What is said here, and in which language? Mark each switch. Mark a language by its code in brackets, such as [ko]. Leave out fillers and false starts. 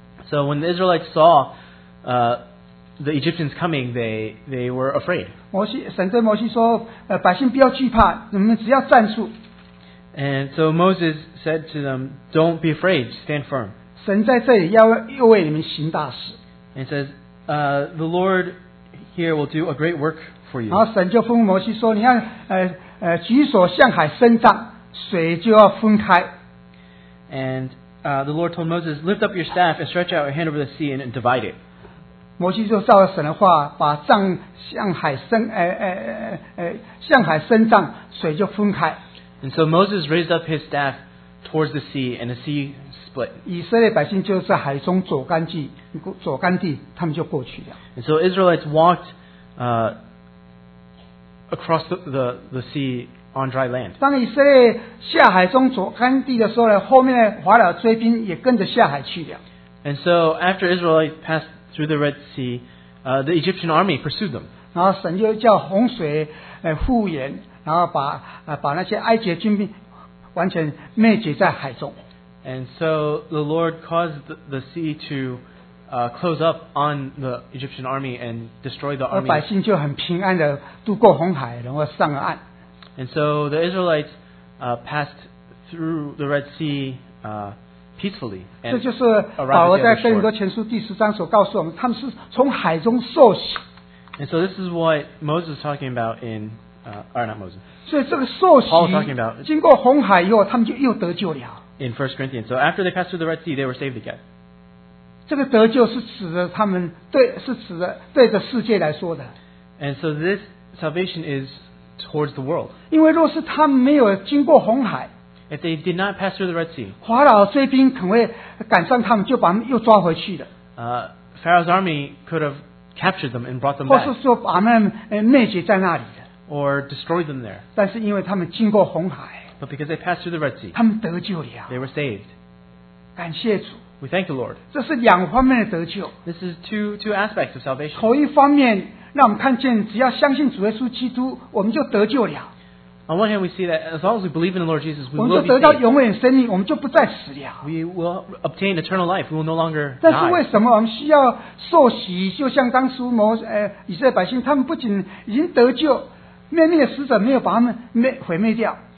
[en] So when the Israelites saw the Egyptians coming, they were afraid. [zh] 摩西神对摩西说，百姓不要惧怕，你们只要站住。 [en] And so Moses said to them, "Don't be afraid, stand firm." [zh] 神在这里要为你们行大事。 [en] And it says, "The Lord here will do a great work." [zh] 然后神就吩咐摩西说：“你要举手向海伸张，水就要分开。” [en] And the Lord told Moses, "Lift up your staff and stretch out your hand over the sea and divide it." [zh] 摩西就照着神的话，把杖向海伸张，水就分开。 [en] And so Moses raised up his staff towards the sea, and the sea split. [zh] 以色列百姓就在海中走干地，走干地，他们就过去了。 [en] And so Israelites walked across the sea on dry land. [zh] 当以色列下海中走干地的时候呢，后面的法老追兵也跟着下海去了。 [en] And so after Israel passed through the Red Sea, the Egyptian army pursued them. [zh] 然后神就叫洪水复原，然后把那些埃及的军兵完全灭绝在海中。 [en] And so the Lord caused the sea to close up on the Egyptian army and destroy the army. [zh] 百姓就很平安地渡过红海，然后上了岸。 [en] And so the Israelites passed through the Red Sea peacefully. [zh] 这就是保罗在哥林多前书第十章所告诉我们，他们是从海中受洗。 [en] And so this is what Moses is talking about in, or not Moses. [zh] 所以这个受洗 [en] Paul is talking about, [zh] 经过红海以后，他们就又得救了。 [en] In 1 Corinthians, so after they passed through the Red Sea, they were saved again. [zh] 这个得救是指着他们对，是指着对着世界来说的。 [en] And so this salvation is towards the world. [zh] 因为若是他们没有经过红海， [en] if they did not pass through the Red Sea, [zh] 法老追兵肯会赶上他们，就把他们又抓回去的。 [en] Pharaoh's army could have captured them and brought them back. [zh] 或是说把他们灭绝在那里的。 [en] Or destroyed them there. [zh] 但是因为他们经过红海， [en] but because they passed through the Red Sea, [zh] 他们得救了。 [en] They were saved. [zh] 感谢主。 [en] We thank you, Lord. [zh] 这是两方面的得救。 [en] This is two aspects of salvation. [zh] 头一方面，让我们看见，只要相信主耶稣基督，我们就得救了。 [en] On one hand, we see that as long as we believe in the Lord Jesus, we will be saved. We will obtain eternal life. We will no longer die.